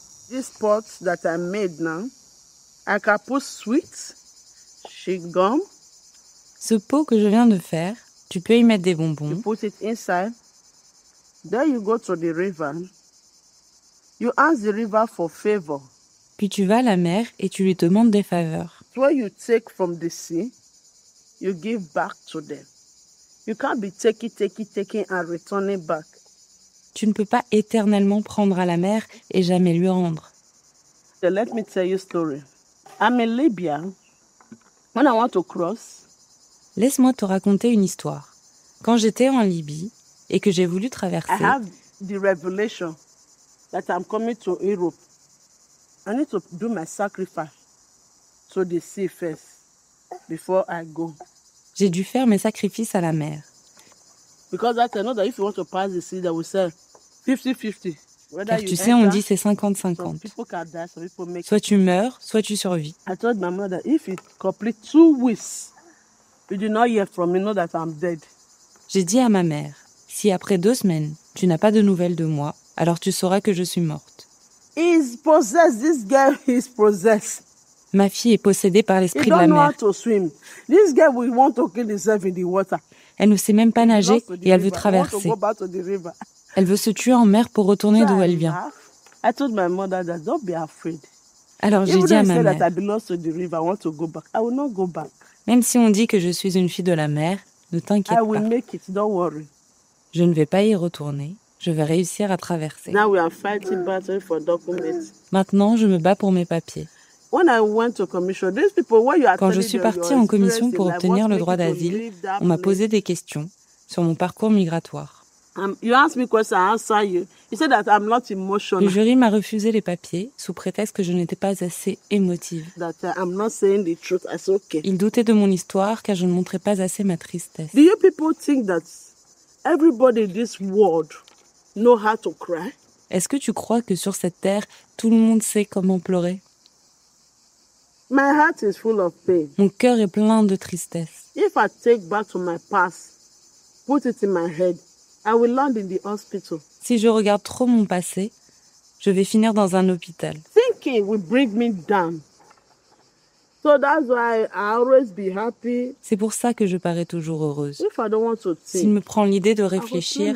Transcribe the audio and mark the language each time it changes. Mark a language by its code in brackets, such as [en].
[en] These pots that I made now, I can put sweets, chewing gum. [fr] Ce pot que je viens de faire. Tu peux y mettre des bonbons. [en] You put it inside. Then you go to the river. You ask the river for favor. [fr] Puis tu vas à la mer et tu lui demandes des faveurs. [en] What you take from the sea, you give back to them. You can't be taking and returning back. [fr] Tu ne peux pas éternellement prendre à la mer et jamais lui rendre. [en] So let me tell you a story. I'm in Libya. When I want to cross. [fr] Laisse-moi te raconter une histoire. Quand j'étais en Libye et que j'ai voulu traverser, [en] I have the revelation that I'm coming to Europe. I need to do my sacrifice to the sea first before I go. [fr] J'ai dû faire mes sacrifices à la mer. [en] Because I know that if you want to pass the sea, they will say 50-50. [fr] Car tu sais, on dit c'est 50-50. Soit tu meurs, soit tu survis. [en] I told my mother that if it complete 2 weeks. You do not hear from me, know that I'm dead. [fr] J'ai dit à ma mère, si après 2 semaines, tu n'as pas de nouvelles de moi, alors tu sauras que je suis morte. [en] He's possessed, this girl is possessed. [fr] Ma fille est possédée par l'esprit de la mer. [en] He don't know how to swim. This girl will want to kill herself in the water. [fr] Elle ne sait même pas nager et elle veut traverser. Elle veut se tuer en mer pour retourner d'où elle vient. [en] I told my mother that don't be afraid. [fr] Alors j'ai dit à ma mère. [en] Even if they say that I belong to the river, I want to go back. I will not go back. [fr] Même si on dit que je suis une fille de la mer, ne t'inquiète pas. [en] I will make it, don't worry. [fr] Je ne vais pas y retourner. Je vais réussir à traverser. [en] Now we are fighting battle for documents. [fr] Maintenant, je me bats pour mes papiers. [en] When I went to commission, these people, what you are [fr] quand je suis partie en commission pour obtenir le droit d'asile, on m'a posé des questions sur mon parcours migratoire. [en] You ask me question, I answer you. You said that I'm not emotional. [fr] Le jury m'a refusé les papiers sous prétexte que je n'étais pas assez émotive. [en] That I'm not saying the truth, that's okay. [fr] Il doutait de mon histoire car je ne montrais pas assez ma tristesse. [en] Do you people think that everybody in this world know how to cry? [fr] Est-ce que tu crois que sur cette terre, tout le monde sait comment pleurer? [en] My heart is full of pain. [fr] Mon cœur est plein de tristesse. [en] If I take back to my past, put it in my head, I will land in the hospital. [fr] Si je regarde trop mon passé, je vais finir dans un hôpital. [en] Thinking will bring me down. So that's why I always be happy. [fr] C'est pour ça que je parais toujours heureuse. [en] If I don't want to think, [fr] s'il me prend l'idée de réfléchir,